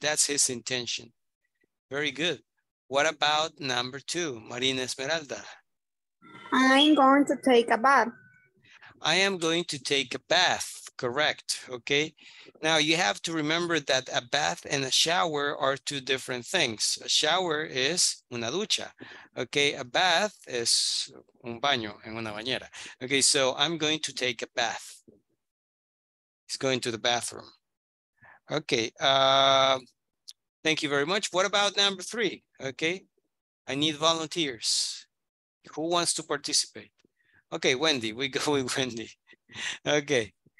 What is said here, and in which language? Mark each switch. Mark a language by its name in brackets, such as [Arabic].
[English] That's his intention. Very good. What about number two, Marina Esmeralda? I'm going to take a bath. I am going to take a bath, correct, okay? Now you have to remember that a bath and a shower are two different things. A shower is [Spanish] una ducha, [English] okay? A bath is [Spanish] un baño, en una bañera. [English] Okay, so I'm going to take a bath. He's going to the bathroom. Okay. Thank you very much. What about number three? Okay. I need volunteers. Who wants to participate? Okay, Wendy, we go with Wendy. Okay.